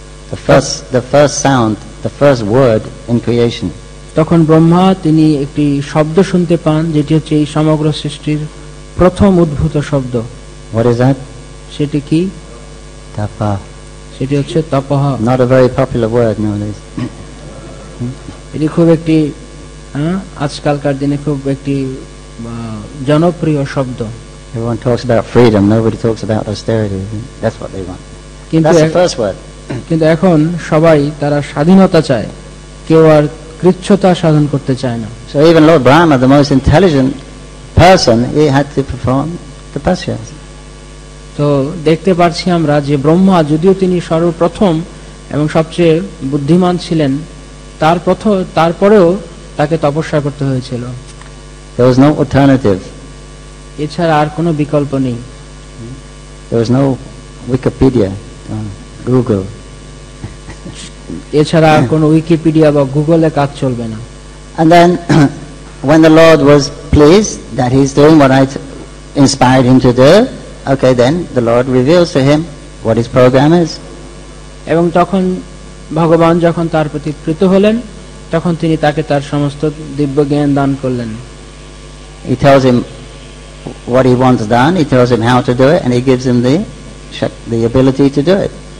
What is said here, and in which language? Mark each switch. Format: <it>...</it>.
<en>The first word in creation.</en> <bn>তখন ব্রহ্মা তিনি একটি শব্দ শুনতে পান, যেটি হচ্ছে এই সমগ্র সৃষ্টির প্রথম উদ্ভূত শব্দ।</bn> <en>What is that?</en> <bn>সেটি কি?</bn> <en>Tapa.</en> <bn>সেটি হচ্ছে তপহ।</bn> <en>Not a very popular word nowadays.</en> <bn>এটি খুব একটি আজকালকার দিনে খুব একটি জনপ্রিয় শব্দ।</bn> <en>Everyone talks about freedom, nobody talks about austerity. That's what they want. That's the first word.</en> <bn>কিন্তু এখন সবাই তারা স্বাধীনতা চায়, কেউ আর কৃচ্ছতা সাধন করতে চায় না।</bn> <en>So even Lord Brahma, the most intelligent person, he had to perform the tapasya.</en> <bn>তো দেখতে পাচ্ছি আমরা যে ব্রহ্মা যদিও তিনি সর্বপ্রথম এবং সবচেয়ে বুদ্ধিমান ছিলেন, তারপরেও তাকে তপস্যা করতে হয়েছিল।</bn> <en>There was no alternative.</en> <bn>এছাড়া আর কোনো বিকল্প নেই।</bn> <en>There was no Wikipedia, Google.</en> <bn>এছাড়া কোনো উইকিপিডিয়া বা গুগলে কাজ চলবে না।</bn> <en>And then when the Lord was pleased that he is doing what I inspired him to do, okay, then the Lord reveals to him what his program is.</en> <bn>এবং তখন ভগবান যখন তার প্রতি কৃত হলেন, তখন তিনি তাকে তার সমস্ত দিব্য জ্ঞান দান করলেন।</bn> <en>He tells him what he wants done, he tells him how to do it, and he gives him the ability to do it.</en>